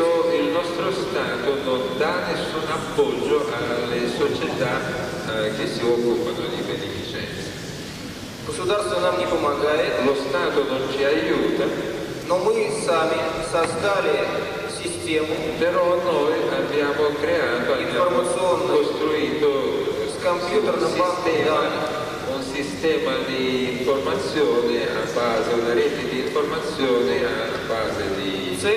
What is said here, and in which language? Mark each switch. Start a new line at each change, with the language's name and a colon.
Italian: Il nostro Stato non dà nessun appoggio alle società che si occupano di beneficenza.
Russian: Государство нам не помогает.
Italian: Lo Stato non ci aiuta.
Russian: Но мы сами создали систему.
Italian: Però noi abbiamo creato, abbiamo costruito
Russian: с компьютерным банком.
Italian: Un sistema di informazione a base, una rete di informazione a base di